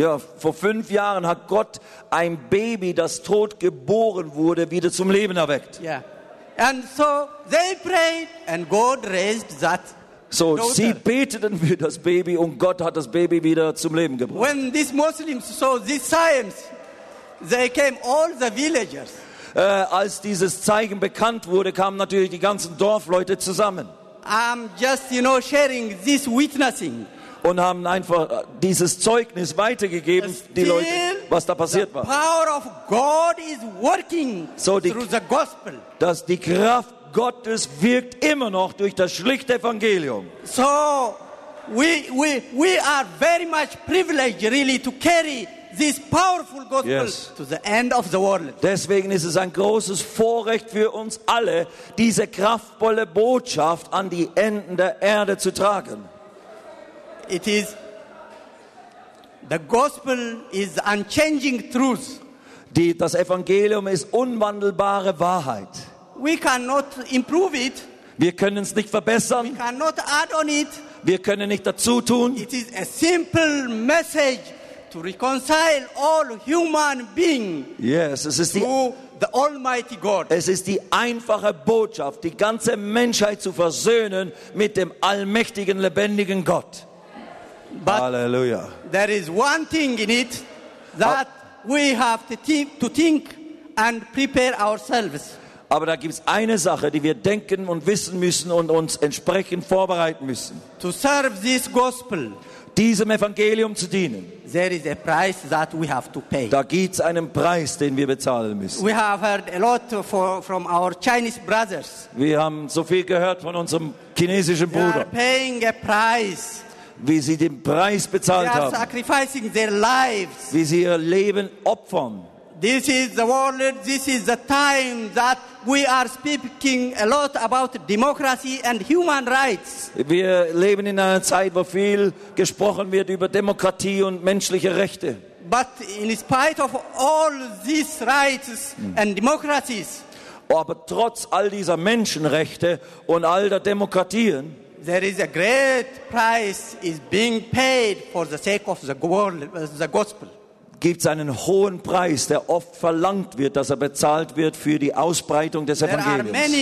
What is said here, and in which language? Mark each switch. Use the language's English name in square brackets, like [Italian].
[German] Ja, vor 5 Jahren hat Gott ein Baby, das tot geboren wurde, wieder zum Leben erweckt. [English] Yeah, and so they prayed, and God raised that. So daughter. [German] Sie beteten für das Baby, und Gott hat das Baby wieder zum Leben gebracht. [English] When these Muslims saw these signs, they came all the villagers. [German] Als dieses Zeichen bekannt wurde, kamen natürlich die ganzen Dorfleute zusammen. [English] I'm just, you know, sharing this witnessing. [German] Und haben einfach dieses Zeugnis weitergegeben, [English] still, [German] die Leute, was da passiert [English] the [German] war. [English] Power of God is working so through the gospel. [German] Dass die Kraft Gottes wirkt immer noch durch das schlichte Evangelium. [English] So, we are very much privileged really to carry this powerful gospel, yes, to the end of the world. [German] Deswegen ist es ein großes Vorrecht für uns alle, diese kraftvolle Botschaft an die Enden der Erde zu tragen. [English] It is the gospel is unchanging truth. [German] Das Evangelium ist unwandelbare Wahrheit. [English] We cannot improve it. [German] Wir können es nicht verbessern. [English] We cannot add on it. [German] Wir können nicht dazu tun. [English] It is a simple message to reconcile all human beings, [German] yes, es ist [English] to the Almighty God. [German] Es ist die einfache Botschaft, die ganze Menschheit zu versöhnen mit dem allmächtigen, lebendigen Gott. [English] But Hallelujah. There is one thing in it that we have to think and prepare ourselves. [German] Aber da gibt es eine Sache, die wir denken und wissen müssen und uns entsprechend vorbereiten müssen. [English] To serve this gospel, [German] diesem Evangelium zu dienen. [English] There is a price that we have to pay. [German] Da gibt's einen Preis, den wir bezahlen müssen. [English] We have heard a lot from our Chinese brothers. [German] Wir haben so viel gehört von unserem chinesischen Bruder. [English] They are paying a price. [German] Wie sie den Preis bezahlt haben. [English] They are sacrificing their lives. [German] Wie sie ihr Leben opfern. [English] This is the world, this is the time that we are speaking a lot about democracy and human rights. [German] Wir leben in einer Zeit, wo viel gesprochen wird über Demokratie und menschliche Rechte. [English] But in spite of all these rights and democracies, [German] aber trotz all dieser Menschenrechte und all der Demokratien, [English] there is a great price is being paid for the sake of the world, the gospel. [German] Gibt es einen hohen Preis, der oft verlangt wird, dass er bezahlt wird für die Ausbreitung des Evangeliums.